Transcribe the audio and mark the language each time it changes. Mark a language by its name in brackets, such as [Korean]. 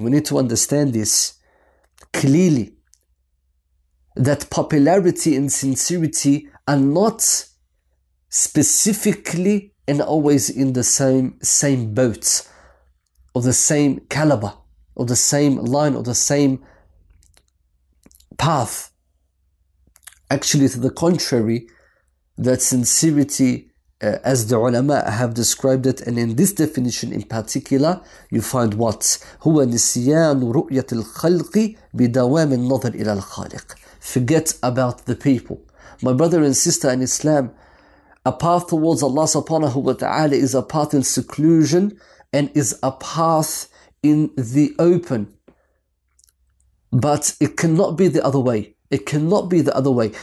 [English] We need to understand this clearly, that popularity and sincerity are not specifically and always in the same boat, or the same caliber, or the same line, or the same path. Actually, to the contrary, that sincerity, as the ulama have described it, and in this definition in particular, you find what? [Arabic] هو نسيان رؤية الخلق بدوام النظر إلى الخالق. [English] Forget about the people. My brother and sister in Islam, a path towards Allah subhanahu wa ta'ala is a path in seclusion and is a path in the open. But it cannot be the other way. It cannot be the other way.